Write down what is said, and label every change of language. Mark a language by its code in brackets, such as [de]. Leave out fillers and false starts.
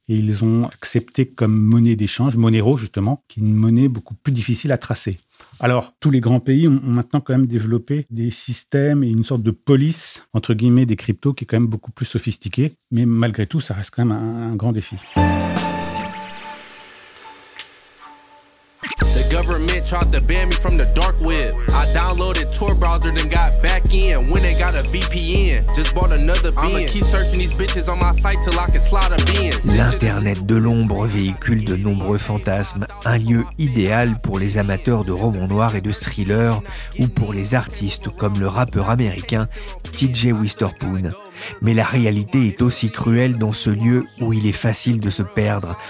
[fr] Et ils ont accepté comme monnaie d'échange, Monero justement, qui est une monnaie beaucoup plus difficile à tracer. Alors, tous les grands pays ont maintenant quand même développé des systèmes et une sorte de police, entre guillemets, des cryptos qui est quand même beaucoup plus sophistiquée. Mais malgré tout, ça reste quand même un grand défi. [en] Government tried to ban me from the dark web. I downloaded Tor browser, then got back in. When they got a VPN, just bought another bin. I'ma keep searching these bitches on my site till I can slide a bin. [fr] L'internet de l'ombre véhicule de nombreux fantasmes, un lieu idéal pour les amateurs de romans noirs et de thrillers, ou pour les artistes comme le rappeur américain TJ Wisterpoon. Mais la réalité est aussi cruelle dans ce lieu où il est facile de se perdre.